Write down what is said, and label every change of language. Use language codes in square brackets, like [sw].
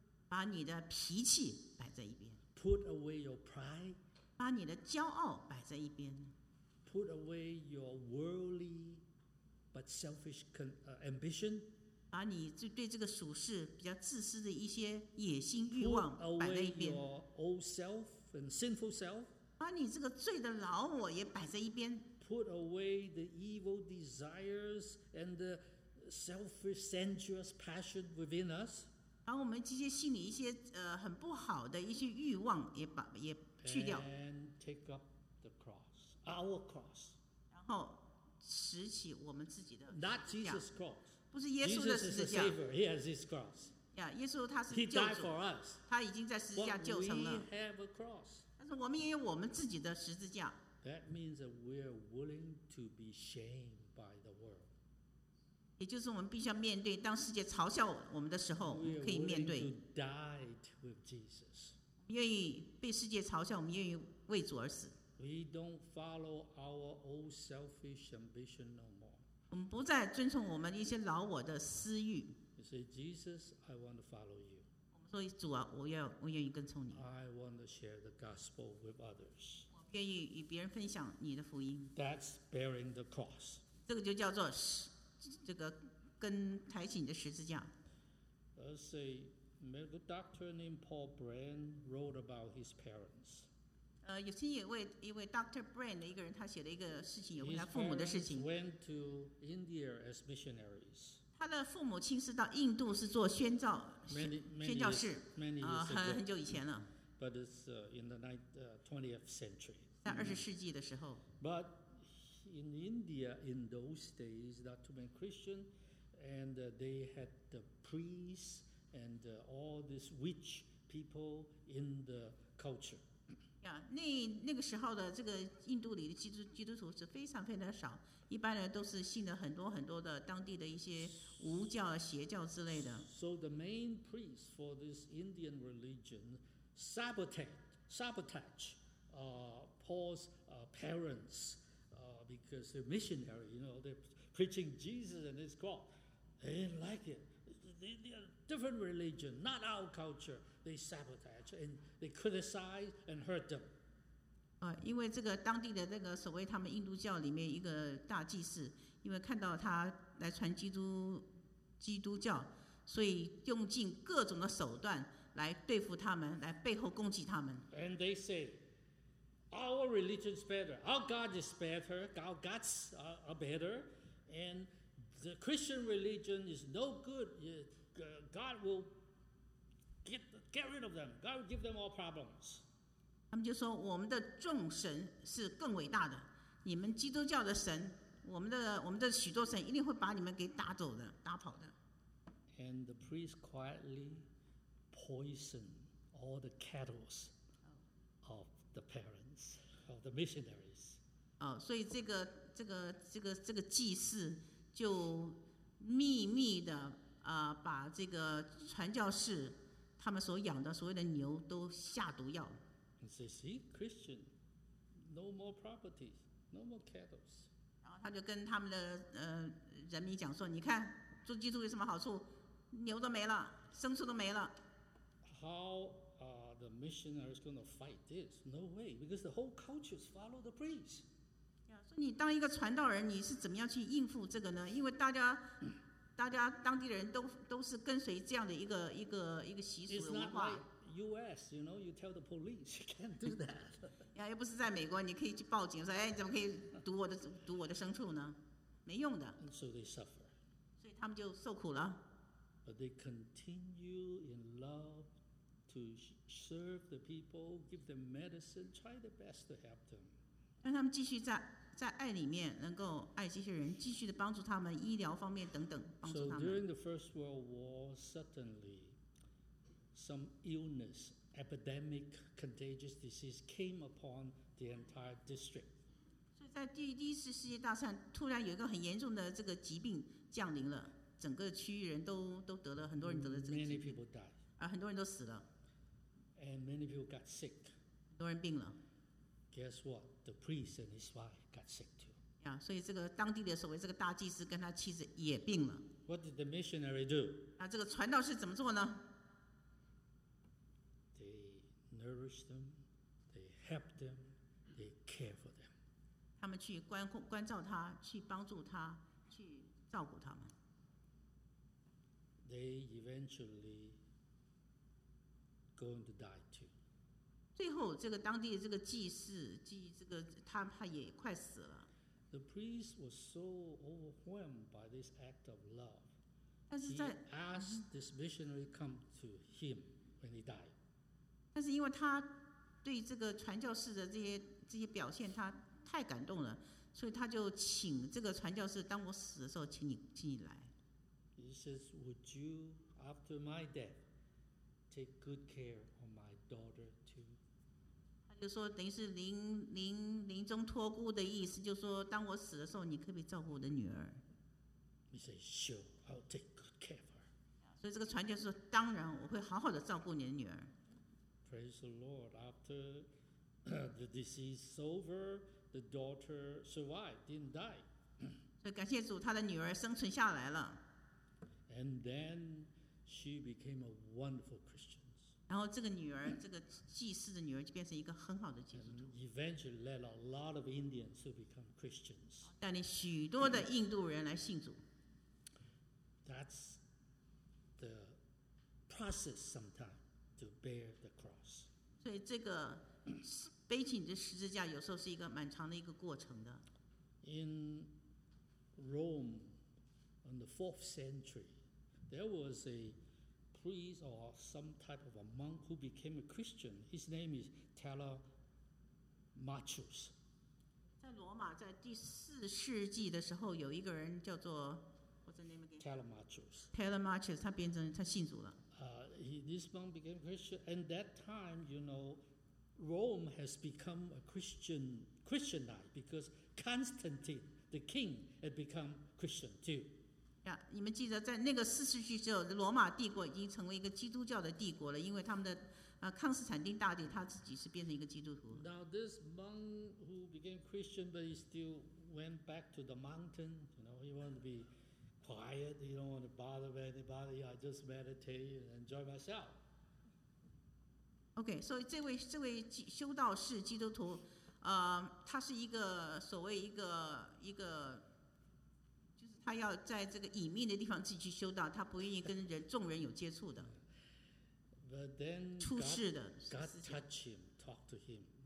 [zh] 把你的脾气摆在一边。 [en] Put away your pride。 [zh] 把你的骄傲摆在一边。 [en] Put away your worldly but selfish ambition. [zh] 把你对这个俗世比较自私的一些野心欲望摆在一边。 [en] Put away your old self and sinful self. [zh] 把你这个罪的老我也摆在一边。 [en] Put away the evil desires and the selfish sensuous passion within us. [zh] 把我们这些心里一些很不好的一些欲望也去掉。 [en] And take up the cross. Our cross. [zh] 然后拾起我们自己的 [en] Not Jesus' cross. [zh] 不是耶稣的十字架。 [en] Jesus is the Savior. He has his cross. [zh] Yeah, 耶稣他是救主。 [en] He died for us. [zh] 他已经在十字架救成了。 [en] But we have a cross. [zh] 但是我们也有我们自己的十字架。 [en] That means that we are willing to be shamed by the world. [zh] 也就是我们必须要面对，当世界嘲笑我们的时候，我们可以面对。 [en] We are willing to die with Jesus. [zh] 愿意被世界嘲笑，我们愿意为主而死。 [en] We don't follow our old selfish ambition no more. [zh] 我们不再遵从我们一些老我的私欲。 [en] You say, Jesus, I want to follow you. [zh] 我们说主啊，我愿意跟从你。 [en] I want to share the gospel with others. [zh] 我愿意与别人分享你的福音。 [en] That's bearing the cross. [zh] 这个就叫做这个跟抬起你的十字架。 [en] Let's say, a medical doctor named Paul Brand wrote about his parents. [zh] 有听一位 Dr. Brand 的一个人，他写了一个事情，有关他父母的事情。 [en] His parents went to India as missionaries. [zh] 他的父母亲是到印度是做宣教 [en] many [zh] 宣教士 [en] many years, [zh] 很久以前了。 [en] But it's in the 20th century. [zh] 在二十世纪的时候。 [en] But in India in those days, not too many Christians, and they had the priests and all these witch people in the culture. [zh] 那个时候的这个印度里的基督徒是非常非常少，一般人都是信了很多很多的当地的一些巫教、邪教之类的。 [en] So the main priest for this Indian religion sabotage Paul's parents because they're missionary, you know, they're preaching Jesus and his cross. They didn't like it. They're a different religion, not our culture. They sabotage and they criticize and hurt them. [zh] 因为这个当地的那个所谓他们印度教里面一个大祭司，因为看到他来传基督教，所以用尽各种的手段来对付他们，来背后攻击他们。 [en] And they say, our religion is better, our God is better, our gods are better, and the Christian religion is no good. God will get rid of them. God will give them all problems. [zh] 他们就说我们的众神是更伟大的，你们基督教的神，我们的许多神一定会把你们给打走的，打跑的。 [en] And the priest quietly poisoned all the cattle of the parents of the missionaries. [zh] 所以这个祭司就秘密的把这个传教士。他们所养的所谓的牛都下毒药。 [en] And say, see, Christian, no more properties, no more cattle. [zh] 然后他就跟他们的人民讲说，你看，做基督有什么好处？牛都没了，牲畜都没了。 [en] How are the missionaries going to fight this? No way, because the whole culture follow the priest. [zh] 所以你当一个传道人，你是怎么样去应付这个呢？因为大家当地人都是跟随这样的一个习俗文化。 [en] It's not like U.S. You know, you tell the police you can't do that. [zh] 又不是在美国，你可以去报警说，哎，你怎么可以毒我的牲畜呢？没用的。 [en] And so they suffer. [zh] 所以他们就受苦了。 [en] But they continue in love to serve the people, give them medicine, try their best to help them. [zh] 让他们继续在爱里面能够爱这些人，继续的帮助他们医疗方面等等帮助他们。 [en] So during the First World War, suddenly some illness epidemic contagious disease came upon the entire district. [zh] 所以在第一次世界大战突然有一个很严重的这个疾病降临了，整个区域人都得了，很多人得了这个疾病。 [en] Many people died. [zh] 啊，很多人都死了。 [en] And many people got sick. [zh] 很多人病了。 [en] Guess what? The priest and his wife got sick too. [zh] 呀，所以这个当地的所谓这个大祭司跟他妻子也病了。 [en] What did the missionary do? [zh] 那这个传道士怎么做呢？ [en] Nourish them, they help them, they care for them. [zh] 他们去关照他，去帮助他，去照顾他们。 [en] They eventually going to die too. [zh] 最后，这个当地的这个祭司，他也快死了。 [en] The priest was so overwhelmed by this act of love. [zh] 但是在 [en] he asked this missionary come to him when he died. [zh] 但是因为他对这个传教士的这些表现，他太感动了，所以他就请这个传教士，当我死的时候，请你来。 [en] He says, "Would you, after my death, take good care of my daughter too?" [zh] 他就说，等于是临终托孤的意思，就是说，当我死的时候，你可不可以照顾我的女儿 [en] ？He says, "Sure, I'll take good care of her." [zh] 所以这个传教士说，当然，我会好好的照顾你的女儿。 [en] Praise the Lord. After the disease is over, the daughter survived, didn't die. [zh] 所以感谢主，她的女儿生存下来了。 [en] And then she became a wonderful Christian. [zh] 然后这个女儿，这个祭司的女儿，就变成一个很好的基督徒。 [en] And eventually led a lot of Indians to become Christians. [zh] 带领许多的印度人来信主。 [en] That's the process sometimes. To bear the cross. [zh] 所以这个背起你的十字架有时候是一个蛮长的一个过程的。 [en] In Rome, in the 4th century, there was a priest or some type of a monk who became a Christian. His name is Telemachus. [zh] 在罗马在第四世纪的时候有一个人叫做 [en] Telemachus. [zh] Telemachus, 他信主了。 [en] This monk became Christian, and that time, you know, Rome has become a Christianized because Constantine, the king, had become Christian too. [zh] Yeah, 你们记得在那个四世纪之后，罗马帝国已经成为一个基督教的帝国了，因为他们的康斯坦丁大帝他自己是变成一个基督徒。 [en] Now this monk who became Christian, but he still went back to the mountain. You know, he wanted to be. Quiet, you don't want to bother anybody. I just meditate and enjoy myself. Okay, so this [zh] 修道士基督徒，他是一个所谓一个，就是他要在这个隐秘的地方自己去修道，他不愿意跟众人有接触的。 [en] But then God touched him, talked to him.